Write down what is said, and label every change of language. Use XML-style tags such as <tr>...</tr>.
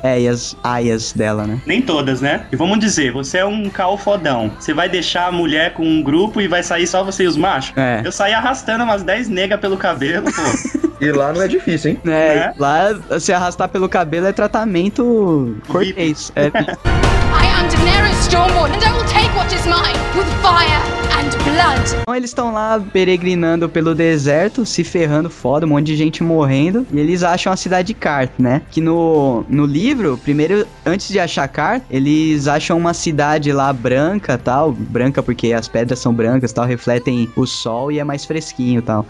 <pt>É, e as aias dela, né? Nem todas, né? E vamos dizer, você é um cal fodão. Você vai deixar a mulher com um grupo e vai sair só você e os machos? É. Eu saí arrastando umas 10 negas pelo cabelo, pô. E lá não é difícil, hein? É. Lá, se arrastar pelo cabelo é tratamento cortês. É.</pt> <en>I am Daenerys Stormborn, and I will take what is mine with fire and blood.</en> <pt>Então eles estão lá peregrinando pelo deserto, se ferrando foda, um monte de gente morrendo. E eles acham a cidade de Karth, né? Que no livro, primeiro, antes de achar Karth, eles acham uma cidade lá branca e tal. Branca porque as pedras são brancas e tal, refletem o sol e é mais fresquinho e tal.</pt>